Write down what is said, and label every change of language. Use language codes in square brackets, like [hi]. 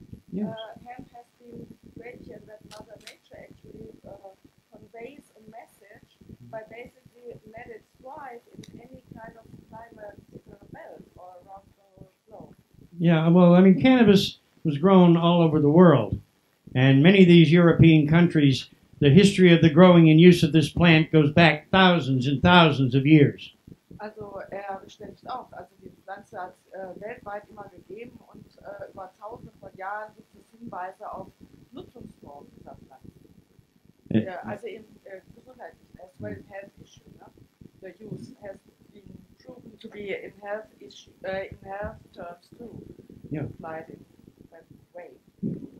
[en] So, hemp has been great here, that Mother Nature actually conveys a message by basically let it thrive in any kind of climate belt or around the globe. Yeah, well, I mean, cannabis was grown all over the world. And many of these European countries, the history of the growing and use of this plant goes back thousands and thousands of years. [de] Also, stellt sich auf, also die Pflanze hat weltweit immer gegeben und über tausende von Jahren gibt es Hinweise auf Nutzungsformen dieser Pflanze. Also in Gesundheit, [en] as well in health issue, ne? The use has been proven to be in health issue, in health terms too, applied in that way.